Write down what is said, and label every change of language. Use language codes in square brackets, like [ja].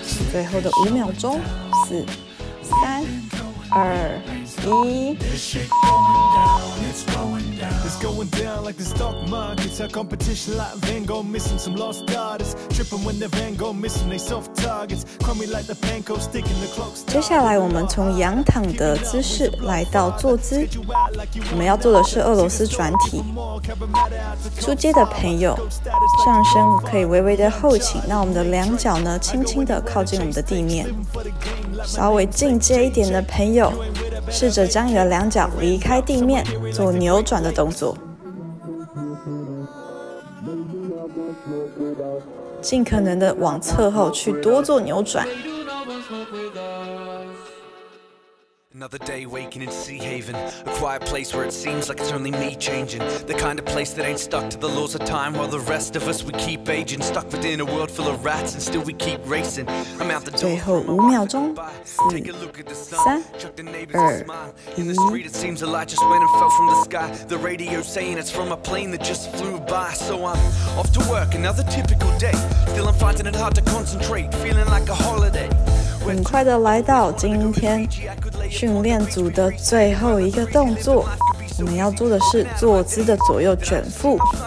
[zh] 最后的五秒钟，四、三、二、一。 [en] Going down like the stock market. Our competition like Van Gogh missing some lost artists. Tripping when the Van Gogh missing they soft targets. Crummy like the panko sticking the clocks. [zh] 接下来我们从仰躺的姿势来到坐姿，我们要做的是俄罗斯转体。初阶的朋友，上身可以微微的后倾，那我们的两脚呢，轻轻的靠近我们的地面。稍微进阶一点的朋友，试着将你的两脚离开地面，做扭转的动作，尽可能的往侧后去多做扭转。 [en] Another day waking in Sea Haven, a quiet place where it seems like it's only me changing. The kind of place that ain't stuck to the laws of time, while the rest of us we keep aging. Stuck within a world full of rats and still we keep racing. I'm out the door. [zh] 最后五秒钟，四、三、二、一。 [en] In the street it seems a light just went and fell from the sky. The radio saying it's from a plane that just flew by. So I'm off to work, another typical day. Still I'm finding it hard to concentrate, feeling like a holiday. [zh] 很快的来到今天训练组的最后一个动作，我们要做的是坐姿的左右卷腹。